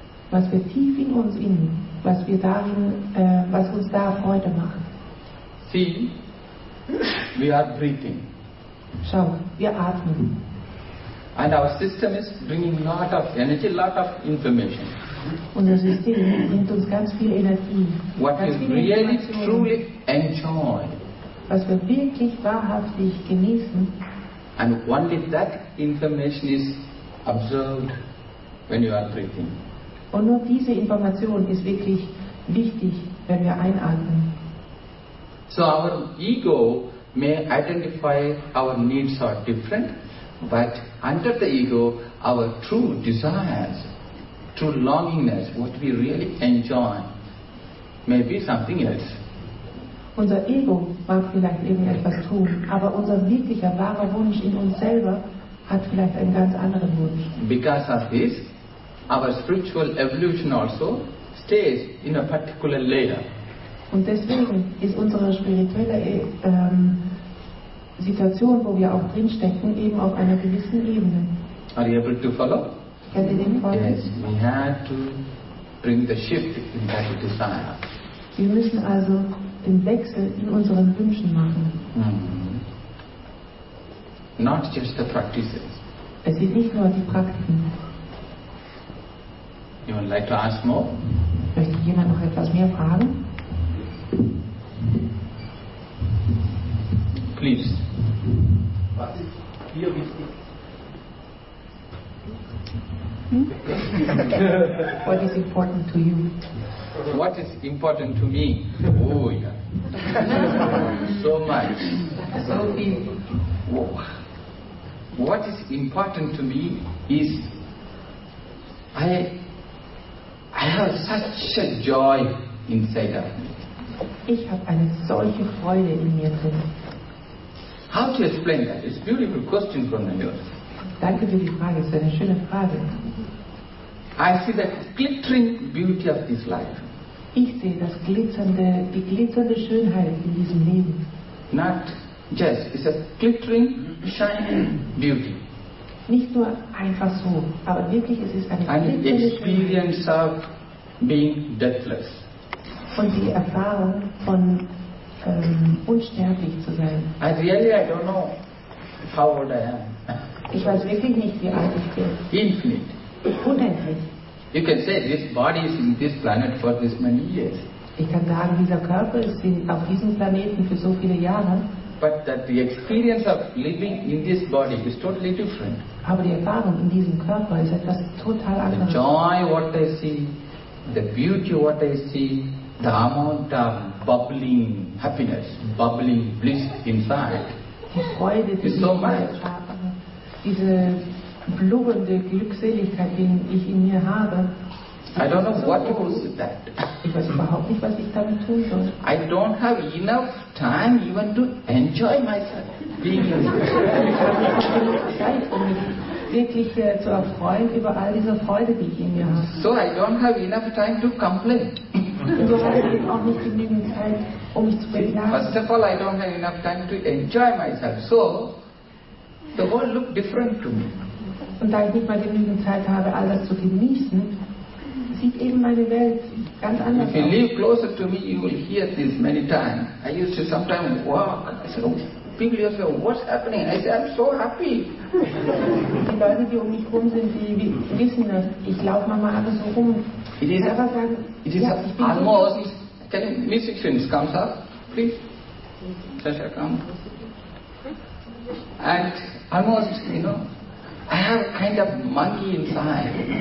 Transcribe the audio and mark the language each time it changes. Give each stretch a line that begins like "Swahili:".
German: Was wir tief in uns innen, was wir darin, was uns da Freude macht.
English: See, we are breathing.
German: Schau, wir atmen.
English: And our system is bringing lot of energy, lot of information.
German: Unser System bringt uns ganz viel Energie.
English: What
German: ganz
English: we really truly enjoy.
German: Was wir wirklich wahrhaftig genießen.
English: And only that information is observed when you are breathing.
German: Und nur diese Information ist wirklich wichtig, wenn wir einatmen.
English: So our ego may identify our needs are different, but under the ego, our true desires, true longingness, what we really enjoy, may be something else.
German: Unser Ego mag vielleicht irgendetwas tun, aber unser wirklicher, wahrer Wunsch in uns selber hat vielleicht einen ganz anderen Wunsch.
English: Because of this, our spiritual evolution also stays in a particular layer.
German: Und deswegen ist unsere spirituelle Situation, wo wir auch drinstecken, eben auf einer gewissen Ebene.
English: Are you able to follow?
German: Kennt ihr den Fall?
English: Yes, we have to bring the shift in that desire.
German: Wir müssen also den Wechsel in unseren Wünschen machen.
English: Not just the practices.
German: Es sind nicht nur die Praktiken.
English: You would like to ask more?
German: Möchte jemand noch etwas mehr fragen?
English: What is important to you? What is important to me? Oh yeah. So much. So few. what is important to me is I have such a joy inside of me.
German: Ich habe eine solche Freude in mir drin.
English: How to explain that? It's a beautiful question from the Lord.
German: Danke für die Frage, es ist eine schöne Frage.
English: I see the glittering beauty of this life.
German: Ich sehe das glitzernde, die glitzernde Schönheit in diesem Leben.
English: Not just, it's a glittering, shining beauty.
German: Nicht nur einfach so, aber wirklich, es ist eine glitzernde Schönheit.
English: An experience of being deathless.
German: Und die Erfahrung von unsterblich zu sein.
English: I really, I don't know how old I am.
German: Ich weiß wirklich nicht, wie alt ich bin.
English: Infinite.
German: Unendlich.
English: You can say this body is in this planet for this many years.
German: Ich kann sagen, dieser Körper ist auf diesem Planeten für so viele Jahre.
English: But that the experience of living in this body is totally different.
German: Aber die Erfahrung in diesem Körper ist etwas total anderes.
English: The joy what I see, the beauty what I see, the amount of bubbling happiness, bubbling bliss inside.
German: Die Freude, die
English: is so much.
German: Diese blubbernde Glückseligkeit, die ich in mir habe.
English: I don't know what to do with that.
German: Ich weiß überhaupt nicht, was ich damit tun soll.
English: I don't have enough time even to enjoy myself.
German: Ich habe nicht genug Zeit, um mich wirklich zu erfreuen über all diese Freude, die ich in mir habe.
English: So I don't have enough time to complain.
German: Und so habe ich auch nicht genügend Zeit, um mich zu beklagen.
English: First of all, I don't have enough time to enjoy myself. So the world look different to me.
German: Und da ich nicht mal genügend Zeit habe, all das zu genießen, sieht eben meine Welt ganz anders aus.
English: If you live closer to me, you will hear this many times. I used to sometimes walk. I said, oh, people used to say, what's happening? I said, I'm so happy.
German: Die Leute, die um mich rum sind, die wissen das. Ich laufe manchmal alles so rum.
English: It is,
German: aber sagen,
English: it is
German: ja,
English: almost, can you, musicians, come up, please. Sasha, come. And almost, you know, I have a kind of monkey inside.